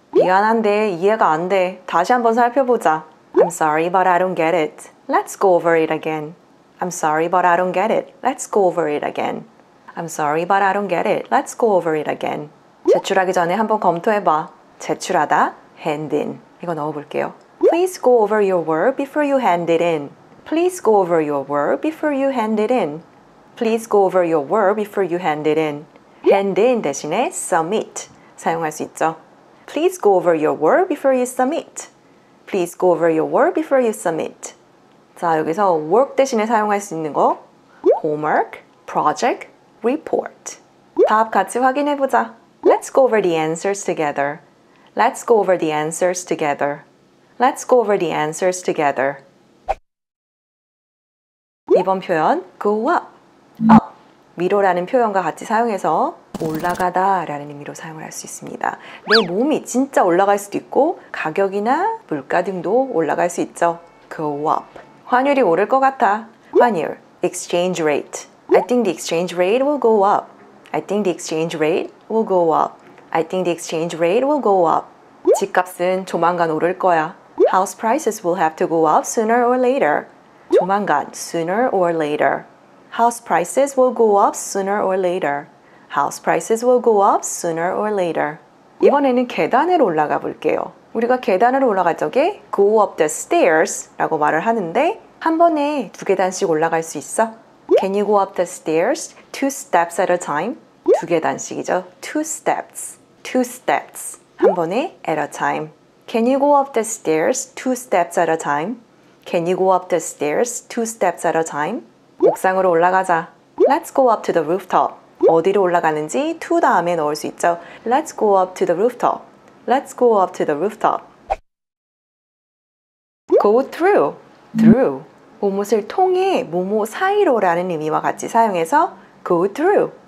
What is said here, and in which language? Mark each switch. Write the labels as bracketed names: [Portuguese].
[Korean] 미안한데 이해가 안 돼. 다시 한번 살펴보자. [English] I'm sorry but I don't get it. Let's go over it again. I'm sorry but I don't get it. Let's go over it again. I'm sorry but I don't get it. Let's go over it again. [Korean] 제출하기 전에 한번 검토해 봐. 제출하다, hand in. 이거 넣어 볼게요. [English] Please go over your work before you hand it in. Please go over your work before you hand it in. Please go over your work before you hand it in. Hand in [Korean] 대신에 submit 사용할 수 있죠. [English] Please go over your work before you submit. Please go over your work before you submit. [Korean] 자, 여기서 work 대신에 사용할 수 있는 거 homework, project, report. 답 같이 확인해 보자. [English] Let's go over the answers together. Let's go over the answers together. Let's go over the answers together. [Korean] 이번 표현 go up. Up, 위로라는 표현과 같이 사용해서 올라가다 라는 의미로 사용을 할 수 있습니다. 내 몸이 진짜 올라갈 수도 있고 가격이나 물가 등도 올라갈 수 있죠. Go up. 환율이 오를 것 같아. 환율, exchange rate. [English] I think the exchange rate will go up. I think the exchange rate will go up. I think the exchange rate will go up. [Korean] 집값은 조만간 오를 거야. [English] House prices will have to go up sooner or later. 조만간, sooner or later. House prices will go up sooner or later. House prices will go up sooner or later. [Korean] 이번에는 계단을 올라가 볼게요. 우리가 계단을 올라갈 적에 [English] go up the stairs [Korean] 라고 말을 하는데 한 번에 두 계단씩 올라갈 수 있어? [English] Can you go up the stairs two steps at a time? [Korean] 두 계단씩이죠. [English] Two steps. Two steps. [Korean] 한 번에 at a time. [English] Can you go up the stairs two steps at a time? Can you go up the stairs two steps at a time? [Korean] 옥상으로 올라가자. [English] Let's go up to the rooftop. [Korean] 어디로 올라가는지 to 다음에 넣을 수 있죠. [English] Let's go up to the rooftop. Let's go up to the rooftop. [Korean] Go through. Through. 무엇을 통해 뭐뭐 사이로라는 의미와 같이 사용해서 go through.